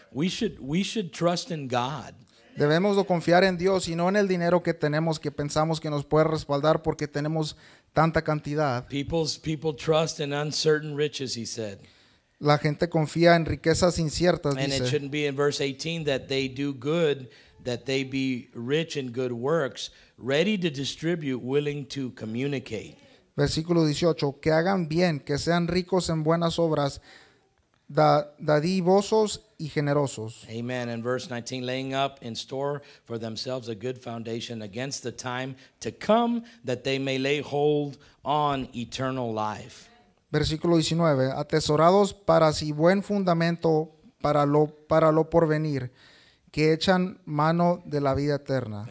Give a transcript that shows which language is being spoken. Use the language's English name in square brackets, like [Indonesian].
[English] We should trust in God. [Spanish] Debemos confiar en Dios y no en el dinero que tenemos que pensamos que nos puede respaldar porque tenemos tanta cantidad. [English] People trust in uncertain riches, he said. [Spanish] La gente confía en riquezas inciertas, [English] and [Spanish] dice. [English] It shouldn't be in verse 18 that they do good, that they be rich in good works, ready to distribute, willing to communicate. [Spanish] Versículo 18, que hagan bien, que sean ricos en buenas obras, dadivosos y generosos. [English] Amen. And verse 19, laying up in store for themselves a good foundation against the time to come, that they may lay hold on eternal life. [Spanish] Versículo 19, atesorados para sí buen fundamento para lo porvenir, que echan mano de la vida eterna.